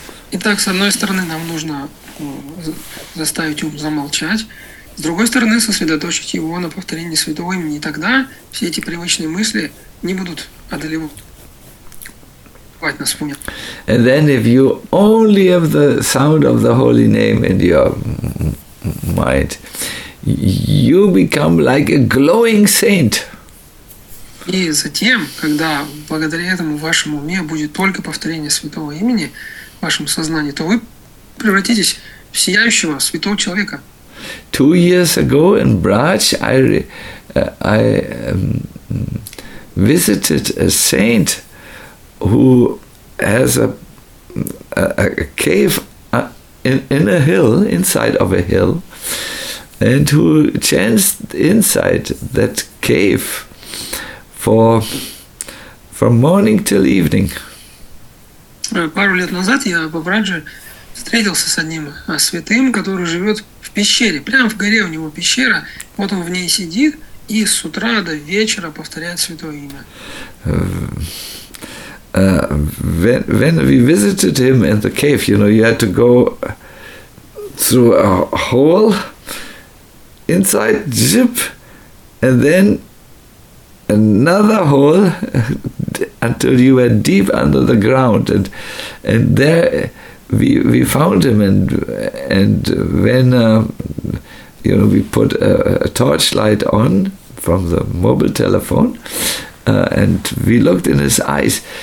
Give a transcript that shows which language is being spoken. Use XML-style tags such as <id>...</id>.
<ru>Итак, с одной стороны, нам нужно заставить ум замолчать, с другой стороны, сосредоточить его на повторении святого имени, и тогда все эти привычные мысли не будут одолевать.</ru> <en>And then if you only have the sound of the holy name in your mind, you become like a glowing saint.</en> <ru>И затем, когда благодаря этому в вашем уме будет только повторение святого имени в вашем сознании, то вы превратитесь в сияющего святого человека.</ru> <en>2 years ago in Braj, I visited a saint who has a cave in a hill, inside of a hill, and who chants inside that cave from morning till evening.</en> <ru>Пару лет назад я в Абрадже встретился с одним святым, который живет в пещере, прямо в горе у него пещера, вот он в ней сидит и с утра до вечера повторяет святое имя.</ru> <en>When we visited him in the cave, you know, you had to go through a hole inside, zip, and then another hole until you were deep under the ground, and there we found him, and when you know, we put a torchlight on from the mobile telephone, and we looked in his eyes.</en>